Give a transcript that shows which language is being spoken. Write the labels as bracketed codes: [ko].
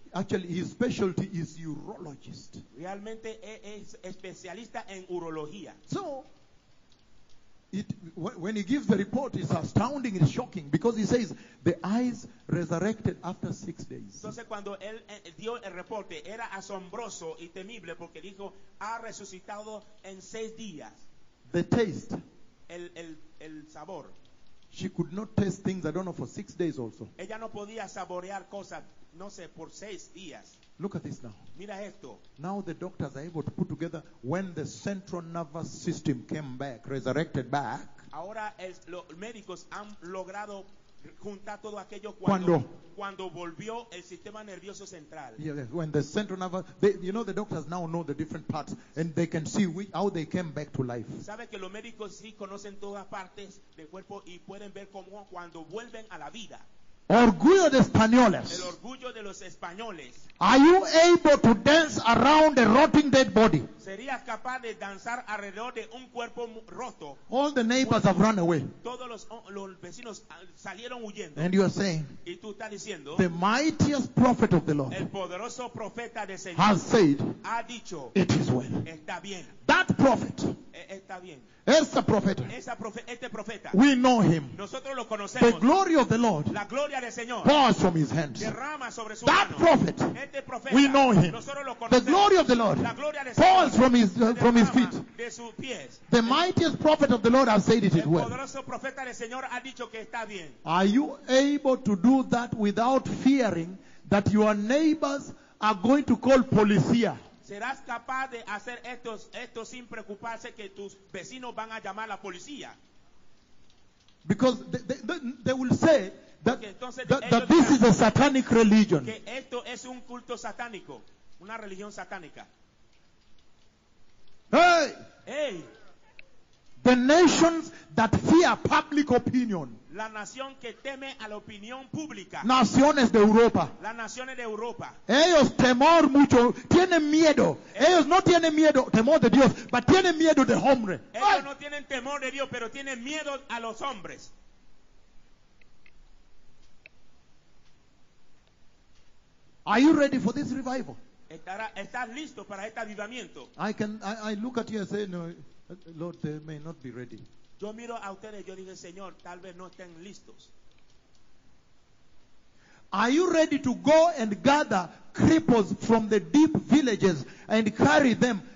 [en] Actually, his specialty is urologist. [es] Realmente es especialista en urología. [en] So, when he gives the report, it's astounding, it's shocking, because he says the eyes resurrected after 6 days. [es] Entonces cuando él dio el reporte era asombroso y temible porque dijo ha resucitado en 6 días. [en] The taste. [es] El sabor. [en] She could not taste things, I don't know, for 6 days also. [es] Ella no podía saborear cosas, no sé, por 6 días. [en] Look at this now. [es] Mira esto. [en] Now the doctors are able to put together when the central nervous system came back, resurrected back. [es] Ahora los médicos han logrado juntar todo aquello cuando volvió el sistema nervioso central. [en] Yes, when the central nervous, you know, the doctors now know the different parts and they can see how they came back to life. [es] Sabe que los médicos sí conocen todas partes del cuerpo y pueden ver cómo cuando vuelven a la vida. Orgullo de españoles. El orgullo de los españoles. [en] Are you able to dance around a rotting dead body? [es] ¿Serías capaz de danzar alrededor de un cuerpo roto? [en] All the neighbors have run away. [es] Todos los vecinos salieron huyendo. [en] And you are saying, [es] y tú estás diciendo, [en] the mightiest prophet of the Lord, [es] el poderoso profeta del Señor, [en] has said, [es] ha dicho, [en] it is well. [es] Está bien. [en] That prophet. [es] Está bien. Esa profeta. Este profeta. [en] We know him. [es] Nosotros lo conocemos. [en] The glory of the Lord. [es] La gloria del Señor. [en] Pours from his hands. [es] Derrama sobre su [en] that [es] mano. [en] Prophet. [es] Este profeta. [en] We know him. [es] Nosotros lo conocemos. [en] The glory of the Lord. [es] La gloria del [en] pours [es] Señor. [en] From his from his feet. [es] De sus pies. [en] The mightiest prophet of the Lord has said it is well. [es] El poderoso profeta del Señor ha dicho que está bien. [en] Are you able to do that without fearing that your neighbors are going to call policía? [es] ¿Serás capaz de hacer esto sin preocuparse que tus vecinos van a llamar a la policía? [en] Because they will say that, [es] okay, entonces, [en] that this is a satanic religion. [es] Que esto es un culto satánico, una religión satánica. Hey! Hey! [en] The nations that fear public opinion. [es] La nación que teme a la opinión pública. Naciones de Europa. Las naciones de Europa. Ellos temor mucho, tienen miedo. Ellos no tienen miedo, temor de Dios, but tienen miedo de hombre. Ellos no tienen temor de Dios, pero tienen miedo a los hombres. [en] Are you ready for this revival? [es] ¿Estás listo para este avivamiento? [en] I look at you and say, no, Lord, they may not be ready. [es] Yo miro a ustedes, yo digo, Señor, tal vez no estén listos. [en] Are you ready to go and gather cripples from the deep villages and carry them?